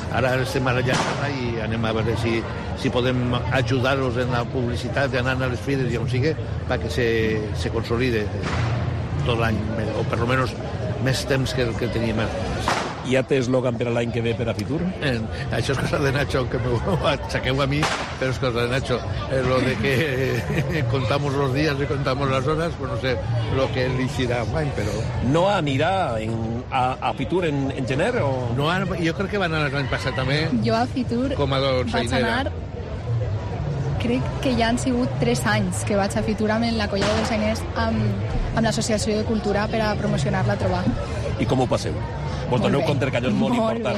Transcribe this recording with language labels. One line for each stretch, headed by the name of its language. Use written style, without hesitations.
Catalan: Ara estem a la llarga i anem a veure si podem ajudar-los en la publicitat d'anar a les fires i on sigui perquè se consolide tot l'any, o per lo menos més temps que el que teníem. Ja té eslògan per a l'any que ve per a Fitur? Això és cosa de Nacho, que m'ho aixequeu a mi, però és cosa de Nacho.
Spanish: Lo de que contamos los días y contamos las horas, pues no sé lo que él hiciera mai,
Catalan: però... No anirà a Fitur en gener? O... No, jo crec que van anar l'any passat també. Jo a Fitur com a vaig anar... Crec que ja han sigut 3 anys que vaig a Fitur amb la Colla de Dolçainers amb l'Associació de Cultura per a promocionar la troba. I com ho passeu? Vos doneu compte que allò és molt important,